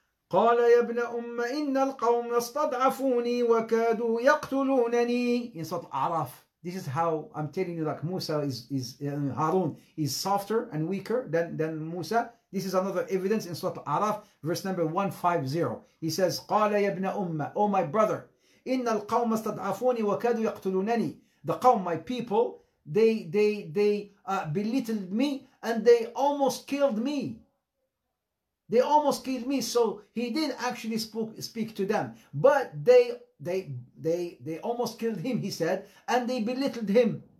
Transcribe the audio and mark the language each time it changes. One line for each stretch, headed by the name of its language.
Arabic: قال يا ابن أم إن القوم استضعفوني وكادوا يقتلونني.
English: In Surah Araf, this is how I'm telling you, like Musa is Harun is softer and weaker than Musa. This is another evidence in Surah Araf, verse number 150. He says,
Arabic: قال يا ابن أم,
English: oh my brother,
Arabic: إن القوم استضعفوني وكادوا يقتلونني.
English: The قوم, my people, they belittled me and they almost killed me. They almost killed me, so he did actually speak to them. But they almost killed him, he said, and they belittled him.